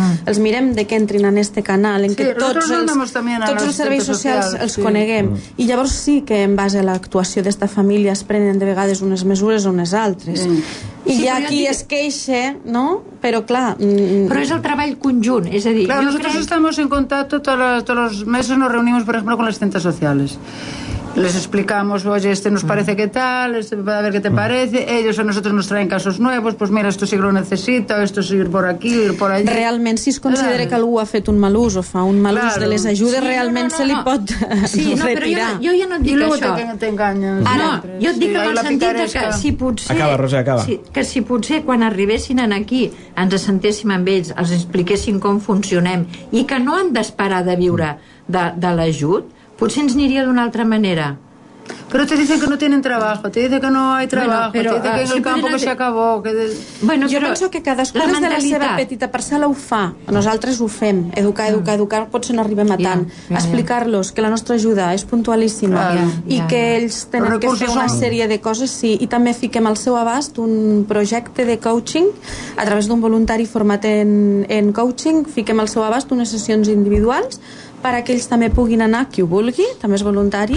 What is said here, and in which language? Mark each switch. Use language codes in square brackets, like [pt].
[ca] Mm. Els mirem de que entrin en este canal, en sí, que tots els serveis socials els sí. Coneguem. Mm. I llavors sí que en base a l'actuació d'esta família es prenen de vegades unes mesures o unes altres. Sí. I hi ha qui es queixa, no? Però clar... Però és el treball conjunt, és a dir... [es] Clar, nosotros estamos en contacto, todos los meses nos reunimos, por ejemplo, con las centros sociales. les explicamos, oye, este nos parece que tal, este, a ver qué te parece, ellos a nosotros nos traen casos nuevos, pues mira, esto sí que lo necesito, esto es ir por aquí, ir por allí. [ca] Realment, si es considera que algú ha fet un mal ús o fa un mal ús de les ajudes, sí, realment se li pot retirar. Jo ja no et dic això. I luego t'enganyen. Ara, jo et dic en el sentit que si potser... Acaba, Roser, acaba. Que si potser quan arribessin aquí ens sentéssim amb ells, els expliquessin com funcionem i que no han d'esperar de viure de l'ajut, potser ens aniria d'una altra manera. [es] Però te dicen que no tienen trabajo, te dicen que no hay trabajo, bueno, pero, te dicen que el campo que se acabó. Que de... [ca] Bueno, jo penso que cadascú des de la seva petita parcel·la ho fa. Nosaltres ho fem. Educar, potser no arribem a tant. Explicar-los que la nostra ajuda és puntualíssima que ells tenen que fer una sèrie de coses, sí, i també fiquem al seu abast un projecte de coaching a través d'un voluntari format en coaching, fiquem al seu abast unes sessions individuals perquè ells també puguin anar, qui ho vulgui, també és voluntari.